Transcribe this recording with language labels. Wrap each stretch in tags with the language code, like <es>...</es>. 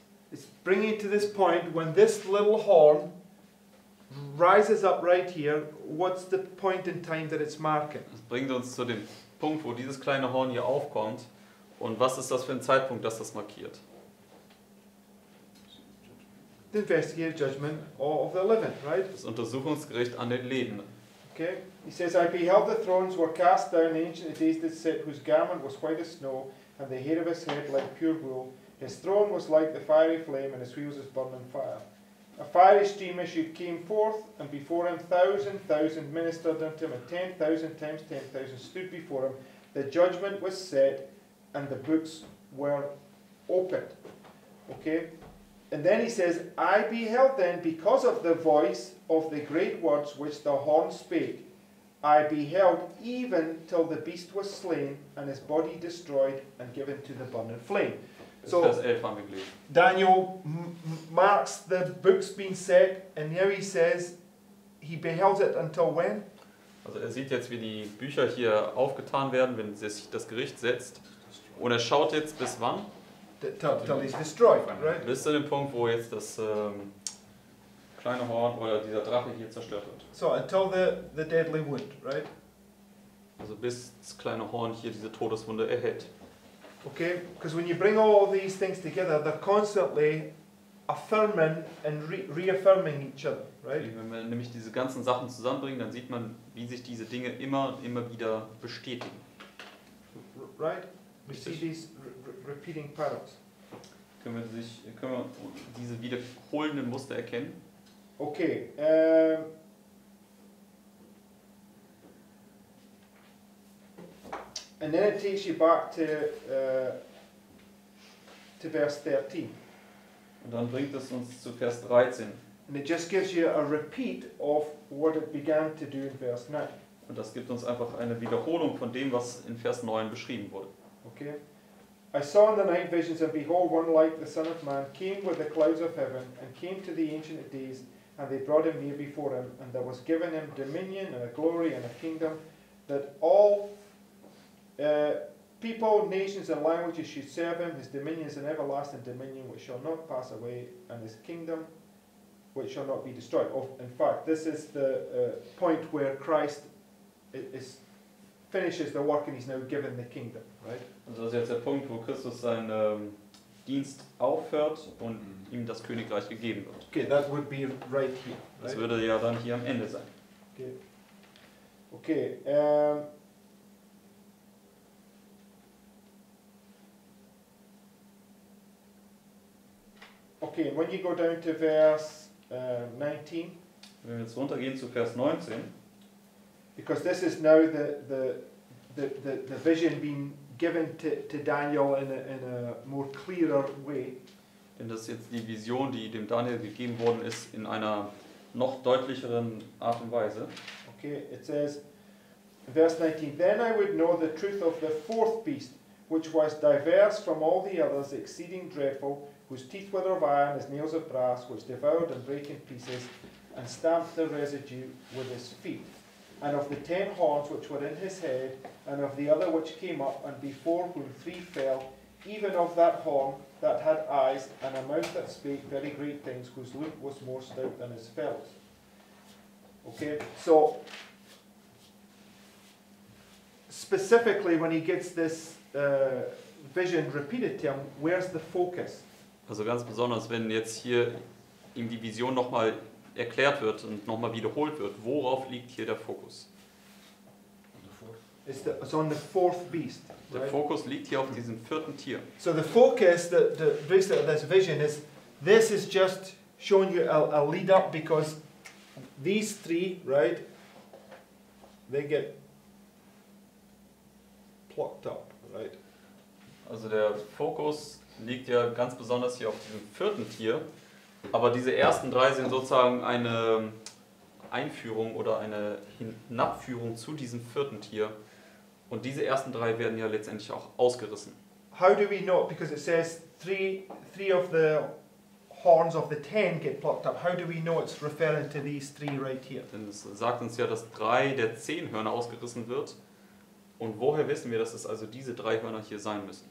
<en>It's bringing to this point when this little horn rises up right here. What's the point in time that it's marking?</en> <de>Es bringt uns zu dem Punkt, wo dieses kleine Horn hier aufkommt. Und was ist das für ein Zeitpunkt, dass das markiert?</de> <en>The investigative judgment of the living, right?</en> <de>Das Untersuchungsgericht an den Lebenden.</de> <en>Okay. He says, I beheld the thrones were cast down, the ancient of days did sit, whose garment was white as snow, and the hair of his head like pure wool. His throne was like the fiery flame, and his wheels as burning fire. A fiery stream issued came forth, and before him 1,000,000 ministered unto him, and 10,000 times 10,000 stood before him. The judgment was set, and the books were opened. Okay? And then he says, I beheld then, because of the voice of the great words which the horn spake, I beheld even till the beast was slain and his body destroyed and given to the burning flame. So, Daniel marks the books being set, and now he says, he beheld it until when?</en> <de>Also sieht jetzt, wie die Bücher hier aufgetan werden, wenn sich das Gericht setzt. Und schaut jetzt, bis wann?</de> <en>Till he's destroyed, right?</en> <de>Bis zu dem Punkt, wo jetzt das kleine Horn oder dieser Drache hier zerstört wird.</de> <en>So, until the deadly wound, right?</en> <de>Also bis das kleine Horn hier diese Todeswunde erhält.</de> <en>Okay, because when you bring all these things together, they're constantly affirming and reaffirming each other, right?</en> <de>Okay, wenn man nämlich diese ganzen Sachen zusammenbringt, dann sieht man, wie sich diese Dinge immer und immer wieder bestätigen.</de> <en>Right? We see these repeating patterns.</en> <de>Können wir diese wiederholenden Muster erkennen?</de> <en>Okay. And then it takes you back to verse 13.</en> <de>Und dann bringt es uns zu Vers 13.</de> <en>And it just gives you a repeat of what it began to do in verse 9.</en> <de>Und das gibt uns einfach eine Wiederholung von dem, was in Vers 9 beschrieben wurde.</de> <en>Okay. I saw in the night visions, and behold, one like the Son of Man came with the clouds of heaven, and came to the Ancient of Days, and they brought him near before him, and there was given him dominion and a glory and a kingdom, that all people, nations, and languages should serve him. His dominion is an everlasting dominion which shall not pass away, and his kingdom which shall not be destroyed. Oh, in fact, this is the point where Christ is finishes the work and he's now given the kingdom, right?</en> <de>Also das ist jetzt der Punkt, wo Christus seinen Dienst aufhört und ihm das Königreich gegeben wird.</de> <en>Okay, that would be right here.</en> <de>Das</de> <en>right?</en> <de>Würde ja dann hier am Ende sein.</de> <en>Okay. Okay, when you go down to verse 19.</en> <de>Wenn wir jetzt runtergehen zu Vers 19.</de> <en>Because this is now the vision being given to Daniel in a more clearer way.</en> <de>Denn das ist jetzt die Vision, die dem Daniel gegeben worden ist, in einer noch deutlicheren Art und Weise.</de> <en>Okay, it says, verse 19, then I would know the truth of the fourth beast, which was diverse from all the others, exceeding dreadful, whose teeth were of iron, his nails of brass, which devoured and brake in pieces, and stamped the residue with his feet. And of the 10 horns which were in his head, and of the other which came up, and before whom 3 fell, even of that horn that had eyes, and a mouth that spake very great things, whose look was more stout than his fellows. Okay, so specifically when he gets this vision repeated to him, where's the focus?</en> <de>Also ganz besonders, wenn jetzt hier ihm die Vision nochmal erklärt wird und nochmal wiederholt wird, worauf liegt hier der Fokus?</de> <en>It's on the fourth beast. Right?</en> <de>Der Fokus liegt hier auf diesem vierten Tier.</de> <en>So the focus, the of this vision is, this is just showing you a lead up because these three, right, they get plucked up, right?</en> <de>Also der Fokus liegt ja ganz besonders hier auf diesem vierten Tier, aber diese ersten drei sind sozusagen eine Einführung oder eine Hinabführung zu diesem vierten Tier. Und diese ersten drei werden ja letztendlich auch ausgerissen.</de> <en>How do we know? Because it says three of the horns of the ten get plucked up. How do we know it's referring to these three right here?</en> <de>Denn es sagt uns ja, dass drei der zehn Hörner ausgerissen wird. Und woher wissen wir, dass es also diese drei Hörner hier sein müssen?</de>